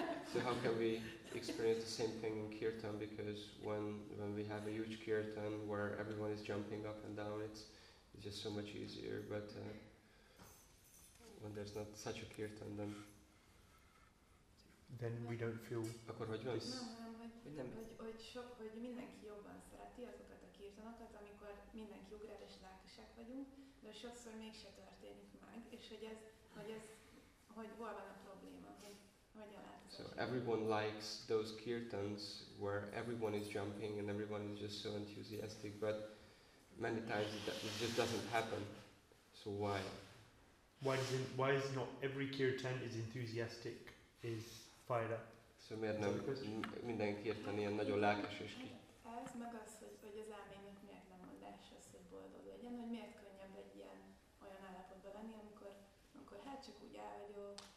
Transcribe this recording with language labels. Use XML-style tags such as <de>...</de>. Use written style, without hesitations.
<en>So how can we experience the same thing in kirtan? Because when we have a huge kirtan where everyone is jumping up and down, it's just so much easier. But when there's not such a kirtan, then we don't feel.</en> <hu>Akkor hogy van? Hogy mindenki jobban szereti azokat a kirtanokat, amikor mindenki ugrál és lelkesek vagyunk, de sokszor mégse történik meg, és hogy hol van a probléma, hogy hogyan lehet.</hu> <en>So everyone likes those kirtans where everyone is jumping and everyone is just so enthusiastic, but many times it just doesn't happen. So why? Why is not every kirtan is enthusiastic, is fired up?</en> <hu>So miért nem minden kirtan ilyen nagyon lelkes és ki? Ez meg az, hogy az elmének miért nem mondás az, hogy boldog legyen, hogy miért könnyebb egy ilyen olyan állapotban lenni, amikor hát csak úgy el vagyok.</hu>